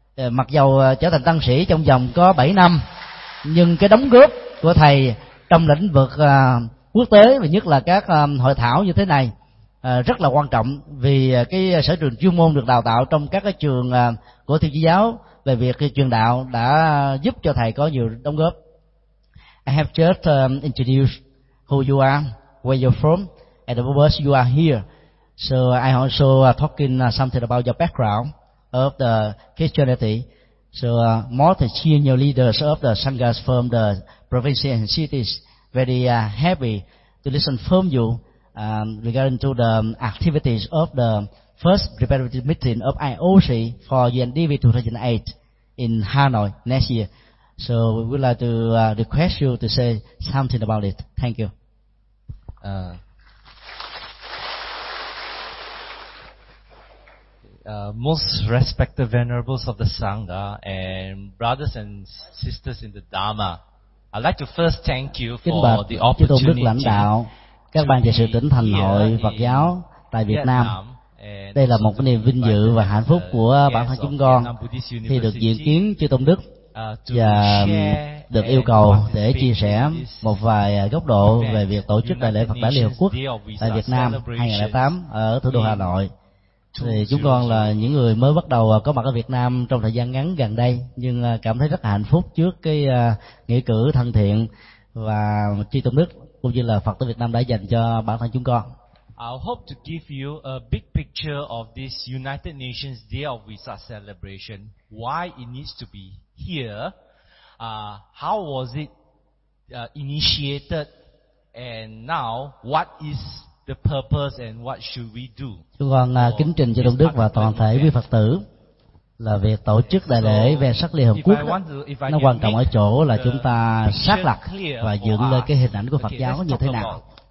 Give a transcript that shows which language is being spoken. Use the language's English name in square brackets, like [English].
[Vietnamese] Mặc dù trở thành tăng sĩ trong vòng có 7 năm nhưng cái đóng góp của thầy trong lĩnh vực quốc tế và nhất là các hội thảo như thế này rất là quan trọng, vì cái sở trường chuyên môn được đào tạo trong các cái trường của Thiên Chúa giáo về việc truyền đạo đã giúp cho thầy có nhiều đóng góp. [English] I have just introduced who you are, where you're from, and the purpose you are here. So I also talking something about your background of the Christianity. So more than senior leaders of the sanghas from the provinces and cities very happy to listen from you regarding to the activities of the first preparatory meeting of IOC for UNDV 2008 in Hanoi next year. So we would like to request you to say something about it. Thank you. Most respected venerables of the Sangha and brothers and sisters in the Dharma, I'd like to first thank you for the opportunity. [Vietnamese] Các ban trị sự tỉnh thành hội Phật giáo tại Việt Nam, đây là một cái niềm vinh dự và hạnh phúc của bản thân chúng con khi được diện kiến Chư Tôn Đức và được yêu cầu để chia sẻ một vài góc độ về việc tổ chức Đại lễ Phật Đản Liên Hợp Quốc tại Việt Nam 2008 ở thủ đô Hà Nội. Thì chúng con là những người mới bắt đầu có mặt ở Việt Nam trong thời gian ngắn gần đây, nhưng cảm thấy rất hạnh phúc trước cái nghĩa cử thân thiện và tri tôn đức cũng như là Phật tử Việt Nam đã dành cho bản thân chúng con. [English] I hope to give you a big picture of this United Nations Day of Visak celebration. Why it needs to be here? How was it initiated? And now, what is the purpose and what should we do? [Vietnamese] Chúng con kính trình cho Đồng Đức và toàn thể quý Phật tử là việc tổ chức đại lễ Vesak Liên Hợp Quốc đó, nó quan trọng ở chỗ là chúng ta xác lập và dựng lên cái hình ảnh của Phật giáo như thế nào.